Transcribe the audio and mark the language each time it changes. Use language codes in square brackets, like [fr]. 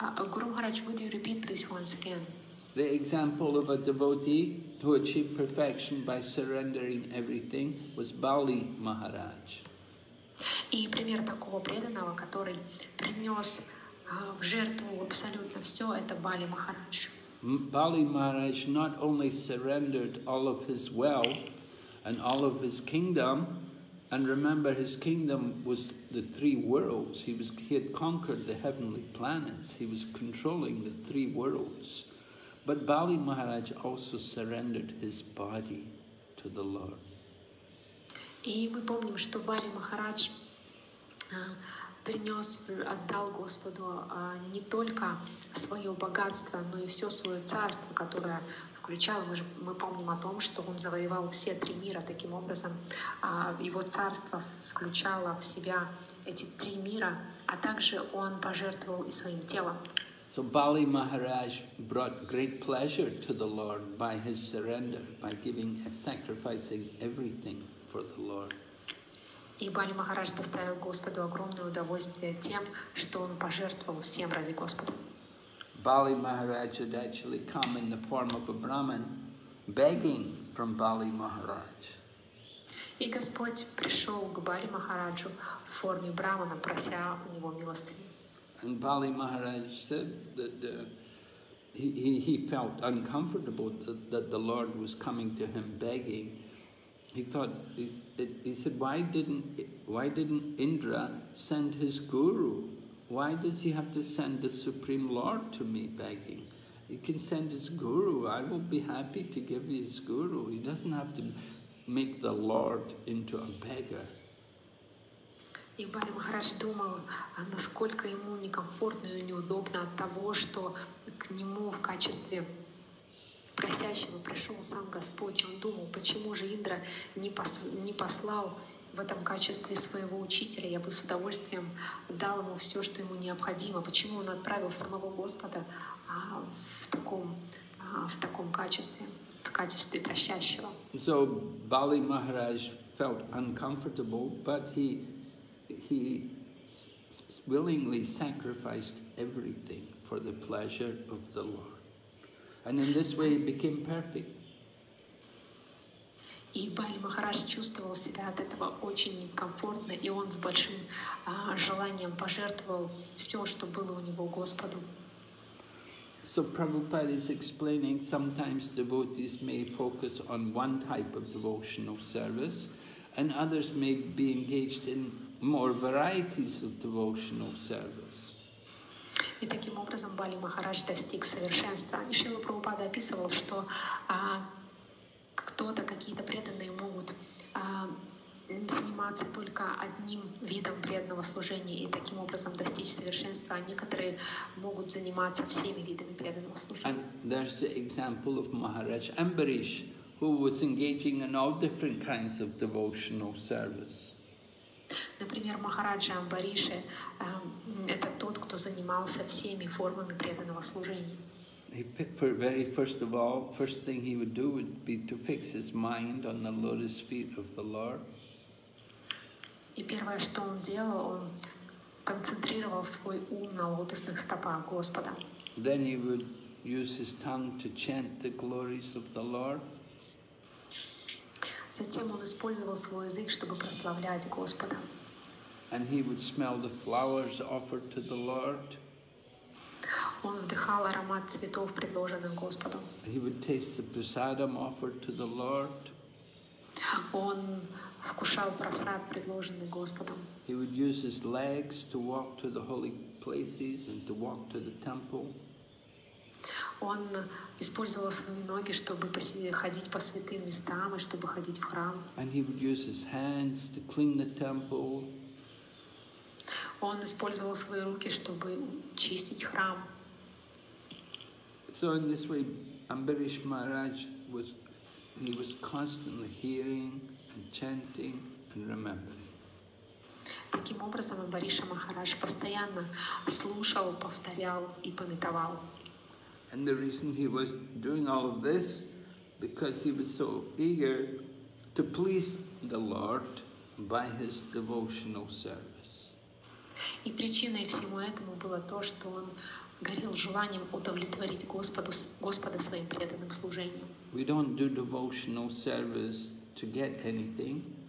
[en] Guru Maharaj, would you repeat this once again? The example of a devotee who achieved perfection by surrendering everything was Bali Maharaj. [ru] И пример такого преданного, который принес в жертву абсолютно все, это Бали Махарадж. [en] Бали Махарадж not only surrendered all of his wealth and all of his kingdom. And remember, his kingdom was the three worlds. He had conquered the heavenly planets. He was controlling the three worlds. But Bali Maharaj also surrendered his body to the Lord. [ru] И мы помним, что Бали Махарадж принес, отдал Господу не только свое богатство, но и все свое царство, которое включал. Мы помним о том, что он завоевал все три мира, таким образом его царство включало в себя эти три мира, а также он пожертвовал и своим телом. [en] So Bali Maharaj brought great pleasure to the Lord by his surrender, by giving and sacrificing everything for the Lord. [ru] И Бали Махарадж доставил Господу огромное удовольствие тем, что он пожертвовал всем ради Господа. [en] Bali Maharaj had actually come in the form of a Brahmin begging from Bali Maharaj. [ru] И Господь пришел к Бали Махараджу в форме Брахмана, прося у него милостыню. [en] And Bali Maharaj said that he felt uncomfortable that the Lord was coming to him begging. He thought, he said, why didn't Indra send his guru? Why does he have to send the Supreme Lord to me begging? He can send his guru. I will be happy to give his guru. He doesn't have to make the Lord into a beggar. [ru] И Бали Махарадж думал, насколько ему некомфортно и неудобно от того, что к нему в качестве просящего пришел сам Господь. Он думал, почему же Индра не послал в этом качестве своего учителя, я бы с удовольствием дал ему все, что ему необходимо. Почему он отправил самого Господа в таком качестве, в качестве просящего? [en] So Bali Maharaj felt uncomfortable, but he willingly sacrificed everything for the pleasure of the Lord. And in this way he became perfect. [ru] И Бали Махарадж чувствовал себя от этого очень некомфортно, и он с большим желанием пожертвовал все, что было у него Господу. [en] So Prabhupada is explaining, sometimes devotees may focus on one type of devotional service, and others may be engaged in more varieties of devotional service. [ru] И таким образом Бали Махарадж достиг совершенства. И Шрила Прабхупада описывал, что кто-то, какие-то преданные могут заниматься только одним видом преданного служения и таким образом достичь совершенства, а некоторые могут заниматься всеми видами преданного служения. [en] And there's the example of Maharaj Ambarish, who was engaging in all different kinds of devotional service. [ru] Например, Махараджа Амбариша – это тот, кто занимался всеми формами преданного служения. [en] First thing he would do would be to fix his mind on the lotus feet of the Lord. [ru] И первое, что он делал, он концентрировал свой ум на лотосных стопах Господа. [en] Then he would use his tongue to chant the glories of the Lord. [ru] Затем он использовал свой язык, чтобы прославлять Господа. [en] And he would smell the flowers offered to the Lord. [ru] Он вдыхал аромат цветов, предложенных Господом. [en] He would taste the prasadam offered to the Lord. [ru] Он вкушал прасад, предложенный Господом. [en] He would use his legs to walk to the holy places and to walk to the temple. [ru] Он использовал свои ноги, чтобы ходить по святым местам и чтобы ходить в храм. [en] And he would use his hands to clean the temple. [ru] Он использовал свои руки, чтобы чистить храм. [en] So in this way, Ambarish Maharaj was, he was constantly hearing and chanting and remembering. [ru] Таким образом, Амбариша Махарадж постоянно слушал, повторял и памятовал. [en] And the reason he was doing all of this, because he was so eager to please the Lord by his devotional service. [ru] И причиной всему этому было то, что он горел желанием удовлетворить Господу, Господа своим преданным служением. [en] We don't do devotional service to get anything.